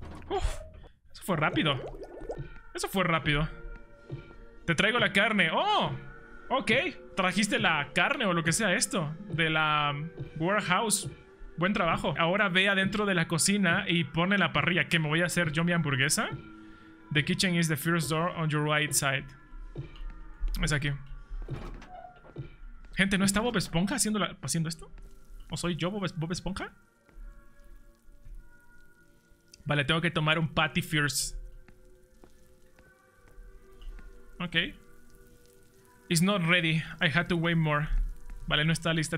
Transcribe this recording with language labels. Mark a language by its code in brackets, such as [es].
[es] Uf, eso fue rápido. Eso fue rápido. Te traigo la carne. ¡Oh! Ok. Trajiste la carne o lo que sea esto. De la warehouse. Buen trabajo. Ahora ve adentro de la cocina y pone la parrilla. ¿Qué me voy a hacer yo mi hamburguesa? [en] The kitchen is the first door on your right side. [es] Es aquí. Gente, ¿no está Bob Esponja haciendo esto? ¿O soy yo Bob Esponja? Vale, tengo que tomar un [en] patty first. Ok. It's not ready. I had to wait more. [es] Vale, no está lista.